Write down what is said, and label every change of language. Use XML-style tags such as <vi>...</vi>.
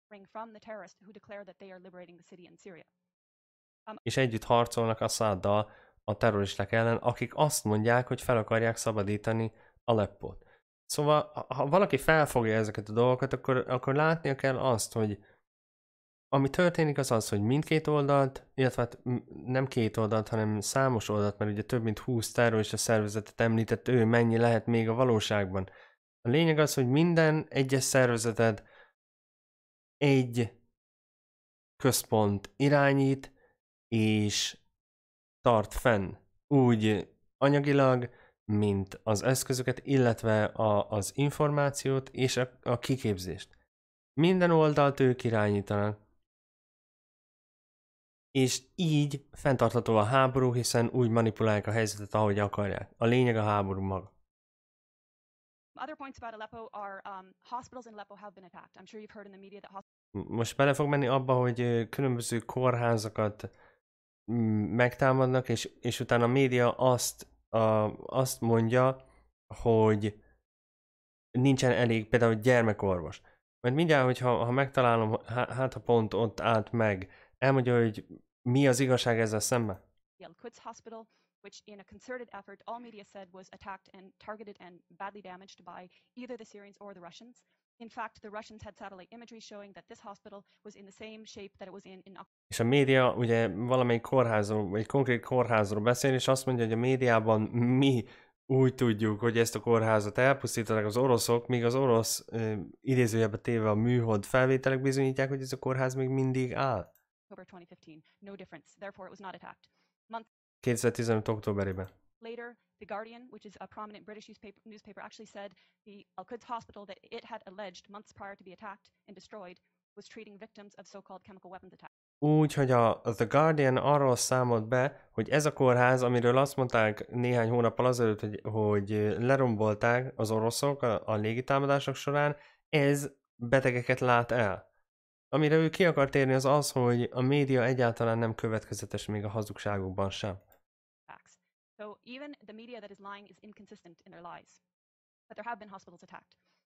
<en>From the terrorists who declare that they are liberating the city in Syria.</en> <hu>és együtt harcolnak Assaddal a terroristák ellen, akik azt mondják, hogy fel akarják szabadítani Aleppot. Szóval, ha valaki felfogja ezeket a dolgokat, akkor látnia kell azt, hogy ami történik az, hogy mindkét oldalt, illetve hát nem két oldalt, hanem számos oldalt, mert ugye több mint 20 terrorista szervezetet említett ő, mennyi lehet még a valóságban. A lényeg az, hogy minden egyes szervezeted egy központ irányít, és tart fenn úgy anyagilag, mint az eszközöket, illetve az információt és a kiképzést. Minden oldalt ők irányítanak. És így fenntartható a háború, hiszen úgy manipulálják a helyzetet, ahogy akarják. A lényeg a háború maga.</hu> <en>Other points about Aleppo are hospitals in Aleppo have been attacked. I'm sure you've heard in the media that</en> <hu>most bele fog menni abba, hogy különböző kórházakat megtámadnak, és utána a média azt mondja, hogy nincsen elég például gyermekorvos. Mert mindjárt, hogyha megtalálom, hát ha pont ott állt meg, elmondja, hogy mi az igazság ezzel szemben.</hu> <en>Yalkut's Hospital, which in a concerted effort all media said was attacked and targeted and badly damaged by either the Syrians or the Russians. In fact, the Russians had satellite imagery showing that this hospital was in the same shape that it was in.</en> <hu>És a média ugye valamelyik kórházról, egy konkrét kórházról beszél, és azt mondja, hogy a médiában mi úgy tudjuk, hogy ezt a kórházat elpusztították az oroszok, míg az orosz idézőjelbe téve a műhold felvételek bizonyítják, hogy ez a kórház még mindig áll.</hu> <en>2015, no difference. Therefore, it was not attacked.</en> <hu>2015 októberében.</hu> <en>Later, The Guardian, which is a prominent British newspaper, actually said the Al-Quds hospital that it had alleged months prior to be attacked and destroyed was treating victims of so-called chemical weapons attacks.</en> <hu>Úgy, hogy a The Guardian arról számolt be, hogy ez a kórház, amiről azt mondták néhány hónappal azelőtt, hogy lerombolták az oroszok a légitámadások során, ez betegeket lát el. Amire ő ki akar térni, az, hogy a média egyáltalán nem következetes még a hazugságokban sem.</hu> <en>So even the media that is lying is inconsistent in their lies. But there have been hospitals attacked.</en>